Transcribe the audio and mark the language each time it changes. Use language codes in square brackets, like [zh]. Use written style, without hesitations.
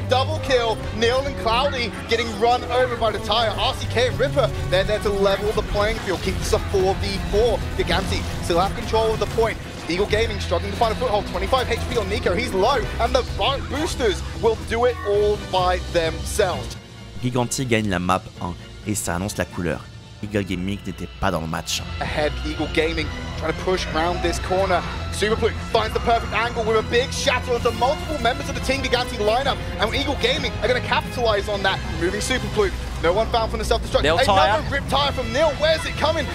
[en] Double kill, Nil and Cloudy getting run over by the tire. RCK and Ripper, they're there to level the playing field, keep this a 4v4. Gigantee still have control of the point. Eagle Gaming struggling to find a foothold. 25 HP on Nico, he's low, and the boosters will do it all by themselves. [fr] Gigantee gagne la map 1, et ça annonce la couleur. Eagle Gaming n'était pas dans le match. [en] Ahead, Eagle Gaming trying to push around this corner. Superplu finds the perfect angle with a big shatter onto multiple members of the Team Gigantee lineup, and Eagle Gaming are going to capitalize on that. Moving Superplu. No one found from the self-destruct. Nil tire. Another rip tire from Nil. Where's it coming?